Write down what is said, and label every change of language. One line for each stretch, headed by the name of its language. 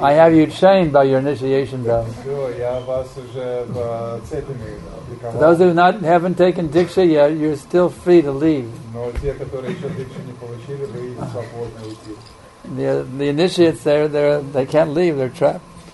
English: I have you chained by your initiation, though.
Russian: Все, я вас уже цепями приковал.
English: For those who not haven't taken diksha yet, you're still free to leave.
Russian: Но те, которые еще дикшу не получили, вы свободны уйти.
English: The initiates there, they can't leave, they're trapped.